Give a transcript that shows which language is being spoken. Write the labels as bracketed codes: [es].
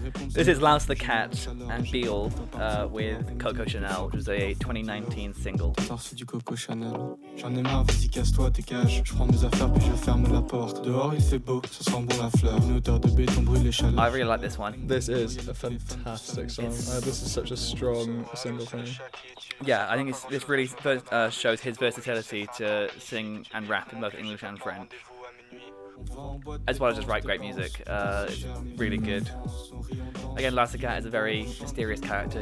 [en] This is Louse the Cat and Beal with Coco Chanel, which is a 2019 single. [fr] Du Coco Chanel. J'en ai marre, vas-y casse-toi, dégage. Je prends mes affaires puis je ferme la porte. Dehors il fait beau, ça sent bon la fleur. Une odeur de béton brûle les chaleurs. [en] I really like this one. This is a fantastic song. This is such a strong single. Yeah, I think this really shows his versatility to sing and rap in both English and French, as well as just write great music. It's really good. Again, Louse the Cat is a very mysterious character.